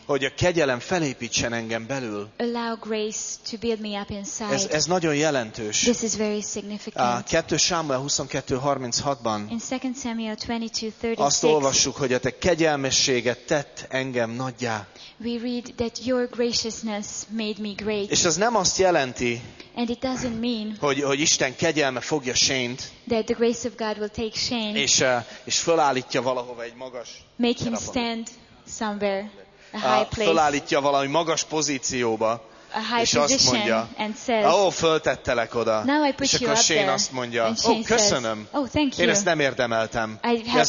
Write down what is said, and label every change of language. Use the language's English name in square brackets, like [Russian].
[Hungarian] hogy a kegyelem felépítsen engem belül. [English] Allow grace to build me up inside. [Hungarian] Ez nagyon jelentős. [English] This is very significant. [Hungarian] 2 Sámuel 22:36-ban [English] in 2 Samuel 22:36 [Hungarian] azt olvassuk, hogy a te kegyelmességet tett engem naggyá. [English] We read that your graciousness made me great. [Hungarian] És ez nem azt jelenti, [English] and it doesn't mean, [Hungarian] hogy Isten kegyelme fogja Shane-t, [English] that the grace of God will take Shane, [Hungarian] és fölállítja valahova egy magas, [English] make him stand somewhere, a high place, [Hungarian] fölállítja valami magas pozícióba, [English] a high [Hungarian] és azt mondja, [English] and says, [Hungarian] oh, föltettelek oda. [English] Now I put [Hungarian] és akkor Shane azt mondja, [English] and Shane [Hungarian] oh, köszönöm. [English] Says, oh, thank you. [Hungarian] Én ezt nem érdemeltem. Ez